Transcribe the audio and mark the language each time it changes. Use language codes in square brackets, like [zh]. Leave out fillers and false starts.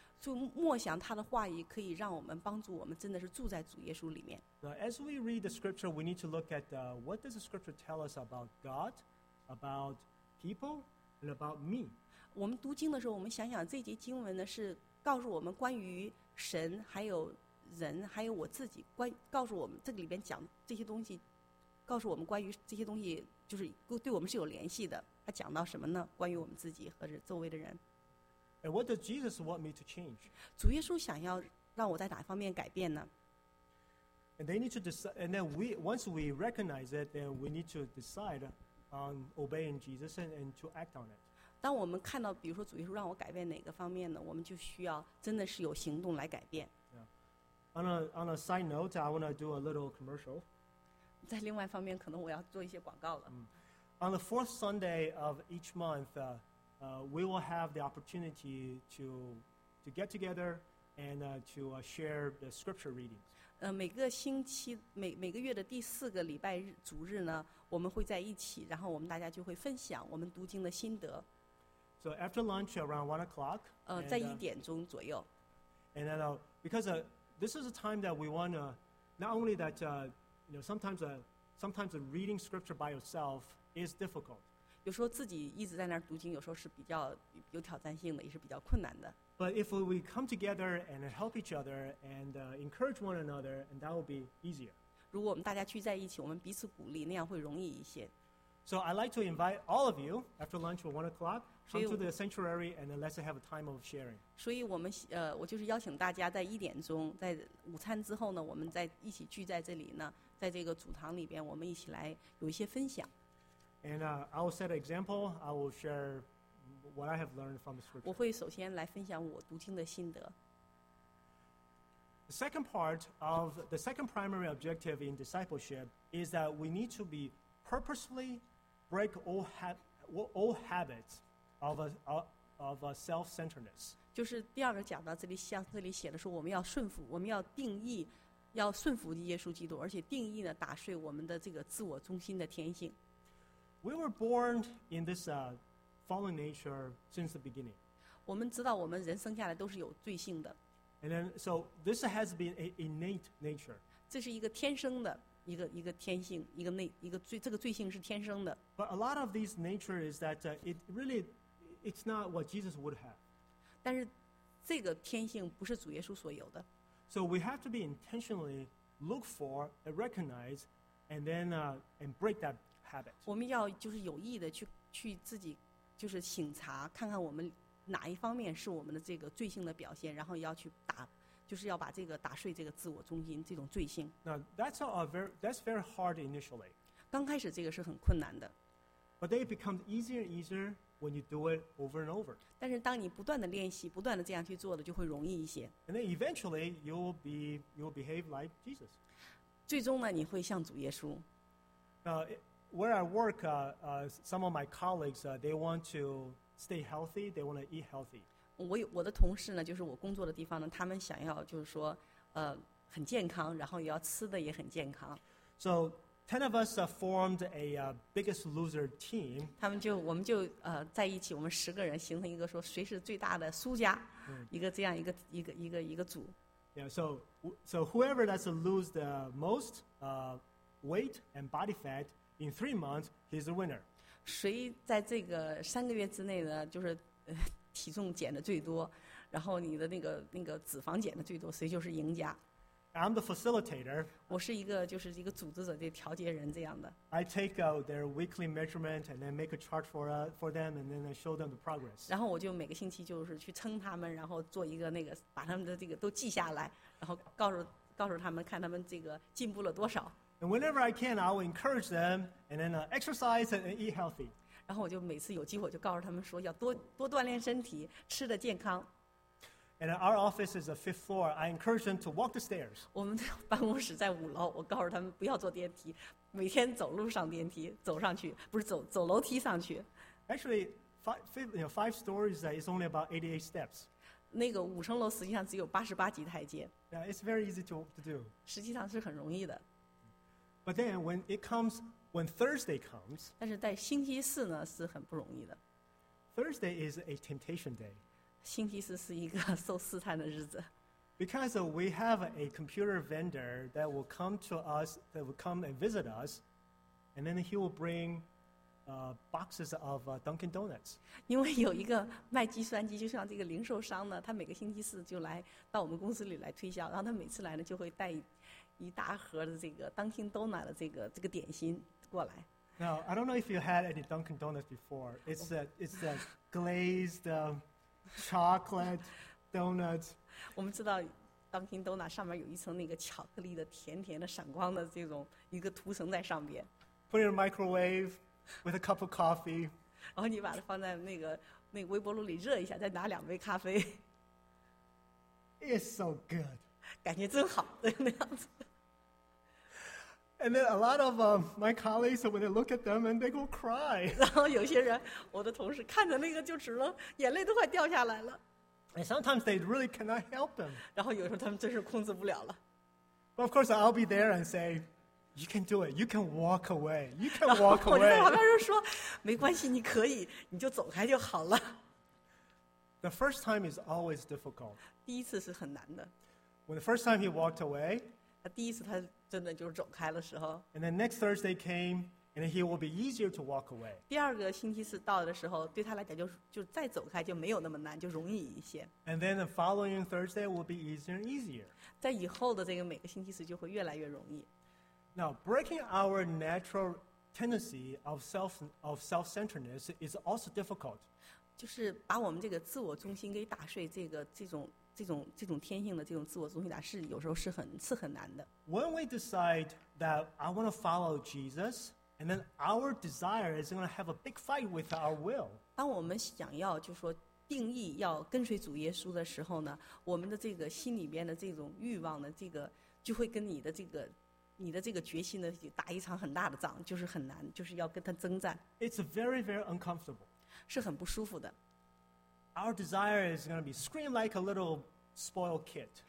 [zh] 就默想他的话语，可以让我们帮助我们真的是住在主耶稣里面。 [en] Now, as we read the scripture, we need to look at what does the scripture tell us about God, about people, and about me. [zh] 我们读经的时候，我们想想这节经文呢，是告诉我们关于神还有。人还有我自己关告诉我们这个里边讲这些东西告诉我们关于这些东西就是对我们是有联系的他讲到什么呢关于我们自己和周围的人 [en] And what does Jesus want me to change? [zh] 主耶稣想要让我在哪方面改变呢 [en] And they need to decide and then once we recognize it then we need to decide on obeying Jesus and to act on it [zh] 当我们看到比如说主耶稣让我改变哪个方面呢我们就需要真的是有行动来改变 [en] On a side note, I want to do a little commercial. [zh] 在另外一方面，可能我要做一些广告了。 [en] On the fourth Sunday of each month, we will have the opportunity to get together and to share the scripture readings. [zh] 每个月的第四个礼拜日主日呢，我们会在一起，然后我们大家就会分享我们读经的心得。 [en] So after lunch, around 1 o'clock. [zh] 在一点钟左右。 [en] And then, because this is a time that we want to, not only that, sometimes reading scripture by yourself is difficult. [zh] 有时候自己一直在那儿读经，有时候是比较有挑战性的，也是比较困难的。 [en] But if we come together and help each other and encourage one another, and that will be easier. [zh] 如果我们大家聚在一起，我们彼此鼓励，那样会容易一些。 [en] So I'd like to invite all of you after lunch at 1 o'clock. Come to the sanctuary and then let's have a time of sharing. [zh] 所以我们我就是邀请大家在一点钟，在午餐之后呢，我们再一起聚在这里呢，在这个主堂里边，我们一起来有一些分享。 [en] And I will set an example. I will share what I have learned from the scripture. [zh] 我会首先来分享我读经的心得。 [en] The second part of the second primary objective in discipleship is that we need to be purposefully break all habits. Of a self-centeredness. [zh] 就是第二个讲到这里，像这里写的说，我们要顺服，我们要定义，要顺服耶稣基督，而且定义呢，打碎我们的这个自我中心的天性。 [en] We were born in this fallen nature since the beginning. [zh] 我们知道，我们人生下来都是有罪性的。 [en] And then, so this has been an innate nature. [zh] 这是一个天生的。一个天性，一个罪，这个罪性是天生的。 [en] But a lot of these nature is that it's not what Jesus would have. [zh] 但是这个天性不是主耶稣所有的。 [en] So we have to be intentionally look for and recognize, and then and break that habit. [zh] 我们要就是有意的去自己就是省察，看看我们哪一方面是我们的这个罪性的表现，然后要去打。就是要把这个打碎这个自我中心这种罪性。 [en] Now that's that's very hard initially. [zh] 刚开始这个是很困难的。 [en] But they become easier and easier when you do it over and over. [zh] 但是当你不断的练习，不断的这样去做的，就会容易一些。 [en] And then eventually you'll behave like Jesus. [zh] 最终呢，你会像主耶稣。 [en] Where I work, some of my colleagues, they want to stay healthy. They want to eat healthy. [zh] 我的同事呢，就是我工作的地方呢，他们想要就是说，很健康，然后也要吃的也很健康。 [en] So ten of us formed a Biggest Loser team. [zh] 他们就我们就在一起，我们十个人形成一个说谁是最大的输家，一个这样一个组。 [en] Yeah. So whoever that's lose the most weight and body fat in 3 months, he's the winner. [zh] 谁在这个三个月之内呢，就是。体重减的最多，然后你的那个脂肪减的最多，谁就是赢家。 [en] I'm the facilitator. [zh] 我是一个就是一个组织者的调节人这样的。 [en] I take out their weekly measurement and then make a chart for them and then I show them the progress. [zh] 然后我就每个星期就是去称他们，然后做一个那个把他们的这个都记下来，然后告诉他们看他们这个进步了多少。 [en] And whenever I can, I will encourage them and then exercise and eat healthy. [zh] 然后我就每次有机会就告诉他们说要多锻炼身体，吃的健康。 [en] And our office is the fifth floor. I encourage them to walk the stairs. [zh] 我们的办公室在5楼，我告诉他们不要坐电梯，每天走路上电梯，走上去，不是走楼梯上去。 [en] Actually, five stories is only about 88 steps. [zh] 那个五层楼实际上只有88级台阶。 [en] Yeah, it's very easy to do. [zh] 实际上是很容易的。 [en] But then when it comes, when Thursday comes. [zh] 但是在星期四呢是很不容易的。 [en] Thursday is a temptation day. [zh] 星期四是一个受试探的日子。 [en] Because we have a computer vendor that will come to us, that will come and visit us, and then he will bring boxes of Dunkin' Donuts. [zh] 因为有一个卖计算机，就像这个零售商呢，他每个星期四就来到我们公司里来推销，然后他每次来呢就会带一大盒的这个 Dunkin' Donuts 的这个点心过来。 [en] Now I don't know if you had any Dunkin' Donuts before. It's a glazed chocolate donut. [zh] 我们知道 Dunkin' Donuts 上面有一层那个巧克力的甜甜的闪光的这种一个涂层在上边。 [en] Put in a microwave with a cup of coffee. [zh] 然后你把它放在那个微波炉里热一下，再拿两杯咖啡。 [en] It's so good. [zh] 感觉真好，那样子。 [en] And then a lot of my colleagues, when they look at them, and they go cry. [zh] 然后有些人，我的同事看着那个就只能眼泪都快掉下来了。 [en] And sometimes they really cannot help them. [zh] 然后有时候他们真是控制不了了。 [en] But of course, I'll be there and say, "You can do it. You can walk away. You can walk away." [zh] 然后我就在旁边就说，没关系，你可以，你就走开就好了。 [en] The first time is always difficult. [zh] 第一次是很难的。 [en] When the first time he walked away. [zh] 他第一次他。真的就是走开的时候。 [en] And then next Thursday came, and he will be easier to walk away. [zh] 第二个星期四到的时候，对他来讲就再走开就没有那么难，就容易一些。 [en] And then the following Thursday will be easier and easier. [zh] 在以后的这个每个星期四就会越来越容易。 [en] Now breaking our natural tendency of self-centeredness is also difficult. [zh] 就是把我们这个自我中心给打碎，这种天性的这种自我中心感是有时候是很难的。 [en] When we decide that I want to follow Jesus, and then our desire is going to have a big fight with our will. [zh] 当我们想要就说定义要跟随主耶稣的时候呢，我们的这个心里边的这种欲望呢，这个就会跟你的这个决心呢打一场很大的仗，就是很难，就是要跟他征战。 [en] It's very very uncomfortable. [zh] 是很不舒服的。 [en] Our desire is going to be scream like a little spoiled kid.